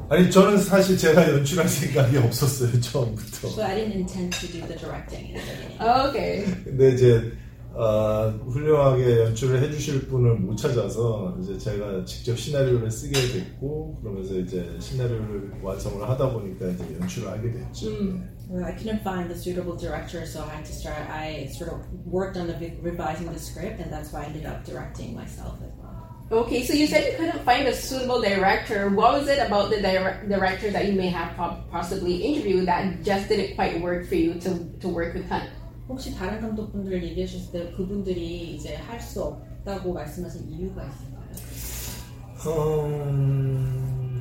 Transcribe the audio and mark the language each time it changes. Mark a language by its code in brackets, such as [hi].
[ko] 저는 사실 제가 연출할 생각이 없었어요 처음부터. [en] So I didn't intend to do the directing. Okay. [ko] 근데 이제 훌륭하게 연출을 해주실 분을 못 찾아서 이제 제가 직접 시나리오를 쓰게 됐고 그러면서 이제 시나리오를 완성을 하다 보니까 이제 연출을 하게 됐죠. [en] Well, I couldn't find the suitable director, so I had to start. I sort of worked on revising the script, and that's why I ended up directing myself as well. Okay, so you said you couldn't find a suitable director. What was it about the director that you may have possibly interviewed that just didn't quite work for you to work with Hunt? [ko] 혹시 다른 감독분들 얘기하셨을 때 그분들이 이제 할 수 없다고 말씀하신 이유가 있을까요?